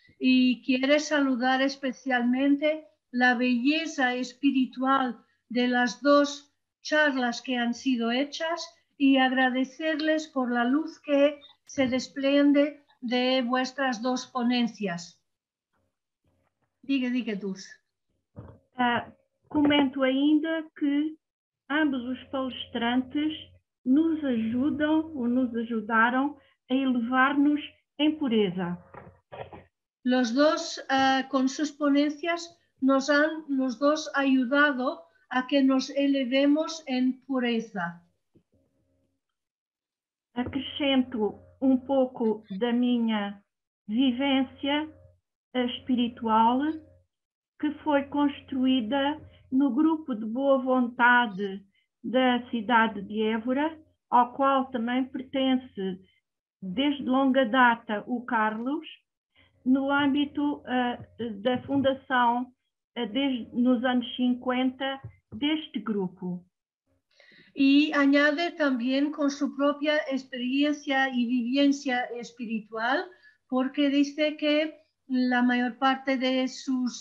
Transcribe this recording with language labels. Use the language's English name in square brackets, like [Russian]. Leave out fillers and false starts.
[Spanish] y quiere saludar especialmente la belleza espiritual de las dos charlas que han sido hechas y agradecerles por la luz que se desprende de vuestras dos ponencias. Diga, Dulce. [Portuguese] Comento ainda que ambos os palestrantes nos ajudam ou nos ajudaram a elevar-nos em pureza. [Spanish] Los dos con sus ponencias nos han los dos ayudado a que nos elevemos en pureza. [Portuguese] Acrescento um pouco da minha vivência espiritual que foi construída no grupo de boa vontade da cidade de Évora, ao qual também pertence desde longa data o Carlos, no âmbito da fundação desde nos anos 50 deste grupo. [Spanish] Y añade también con su propia experiencia y vivencia espiritual, porque dice que la mayor parte de su